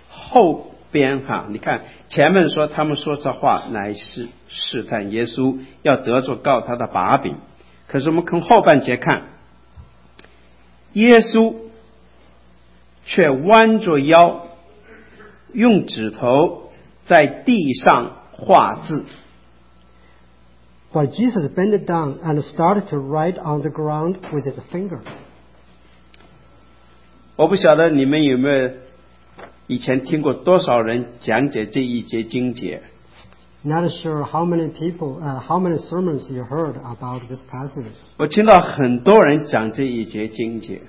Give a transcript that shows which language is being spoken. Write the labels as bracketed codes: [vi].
[zh] 后边哈，你看前面说他们说这话乃是试探耶稣，要得着告他的把柄。可是我们从后半节看，耶稣却弯着腰，用指头在地上画字。 [en] But Jesus bent down and started to write on the ground with his finger. [zh] 我不晓得你们有没有以前听过多少人讲解这一节经节。 [en] Not sure how many people, how many sermons you heard about this passage. [zh] 我听到很多人讲这一节经节。